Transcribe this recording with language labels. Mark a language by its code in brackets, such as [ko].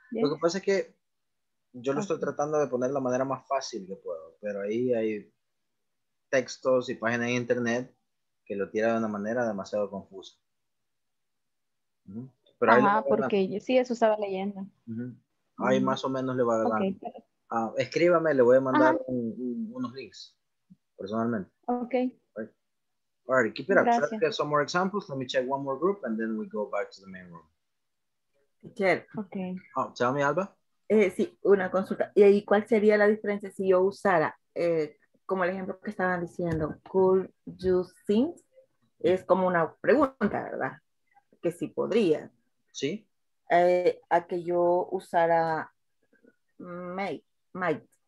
[es] Yes. Lo que pasa es que yo lo estoy tratando de poner de la manera más fácil que puedo, pero ahí hay textos y páginas en internet que lo tiran de una manera demasiado confusa. Mm-hmm. Pero ajá, porque yo, sí, eso estaba leyendo. Mm-hmm. Ahí más o menos le va a dar. Okay. Escríbame, le voy a mandar unos links personalmente. [en] Okay. All right, keep it up. [es] Gracias. [en] Let's get some more examples. Let me check one more group and then we go back to the main room. Okay. Oh, tell me, Alba. [es] Sí, una consulta. ¿Y cuál sería la diferencia si yo usara como el ejemplo que estaban diciendo, [en] could you think, [es] es como una pregunta, ¿verdad? Que si podría. Sí. A que yo usara might.